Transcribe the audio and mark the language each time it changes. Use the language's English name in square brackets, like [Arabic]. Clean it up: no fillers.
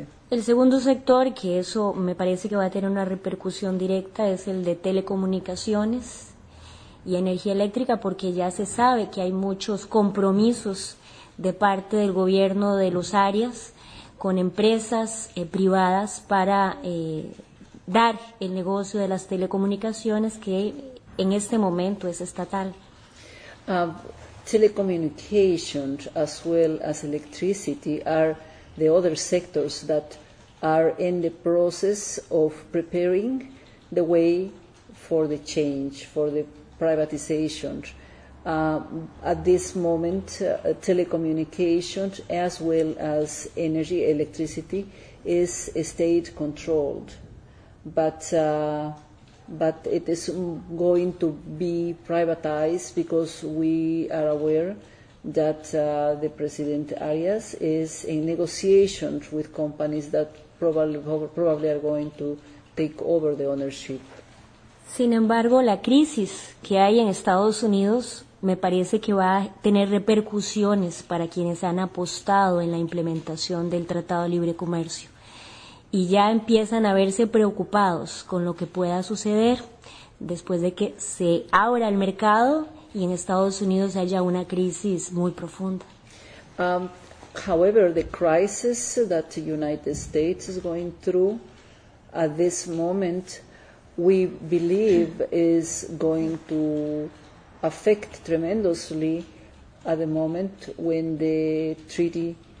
[Spanish] El segundo sector, que eso me parece que va a tener una repercusión directa, es el de telecomunicaciones y energía eléctrica, porque ya se sabe que hay muchos compromisos de parte del gobierno de los Arias con empresas privadas para dar el negocio de las telecomunicaciones, que en este momento es estatal. [English] Telecommunications as well as electricity are the other sectors that are in the process of preparing the way for the change, for the privatization. At this moment, telecommunications as well as energy, electricity, is state controlled, but it is going to be privatized because we are aware that the President Arias is in negotiations with companies that probably are going to take over the ownership. [Spanish] Sin embargo, la crisis que hay en Estados Unidos me parece que va a tener repercusiones para quienes han apostado en la implementación del Tratado de Libre Comercio. Y ya empiezan a verse preocupados con lo que pueda suceder después de que se abra el mercado y en Estados Unidos haya una crisis muy profunda. [English] However, the crisis that the United States is going through at this moment, we believe is going to affect tremendously at the moment when the treaty